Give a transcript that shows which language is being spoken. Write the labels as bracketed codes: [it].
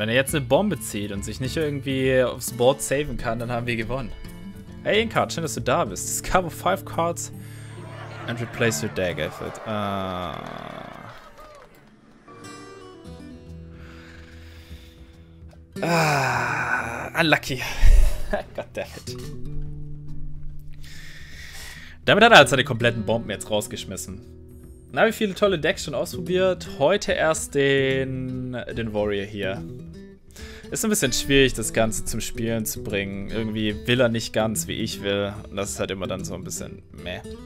[de] Wenn er jetzt eine Bombe zieht und sich nicht irgendwie aufs Board saven kann, dann haben wir gewonnen. Hey Inkard, schön, dass du da bist. [en] Discover 5 cards and replace your dagger with it. Unlucky. God damn it. [de] Damit hat er halt seine kompletten Bomben jetzt rausgeschmissen. Na, wie viele tolle Decks schon ausprobiert. Heute erst den Warrior hier. Ist ein bisschen schwierig, das Ganze zum Spielen zu bringen. Irgendwie will er nicht ganz, wie ich will. Und das ist halt immer dann so ein bisschen meh.